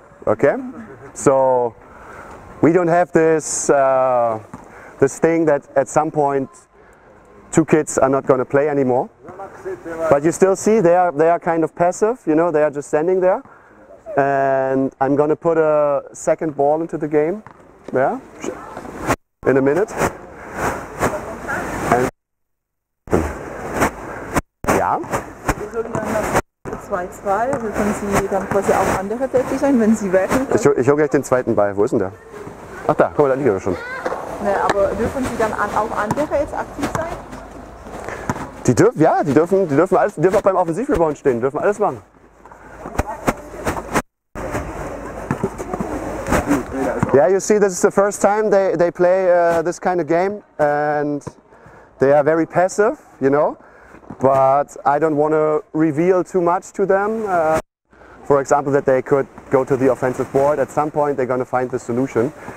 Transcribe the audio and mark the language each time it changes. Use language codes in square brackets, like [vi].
[en] Okay, so we don't have this this thing that at some point 2 kids are not going to play anymore, but you still see they are kind of passive, you know, they are just standing there. And I'm gonna put a second ball into the game, yeah, in a minute. And [de] 2-2, also können Sie dann quasi auch andere tätig sein, wenn Sie werfen. Ich hole gleich den zweiten Ball, wo ist denn der? Ach da, guck mal, da liegt er schon. Ne, aber dürfen Sie dann auch andere jetzt aktiv sein? Die dürfen auch beim Offensivrebound stehen, dürfen alles machen. [en] Yeah, you see, this is the first time they play this kind of game, and they are very passive, you know. But I don't want to reveal too much to them. For example, that they could go to the offensive board. At some point, they're going to find the solution.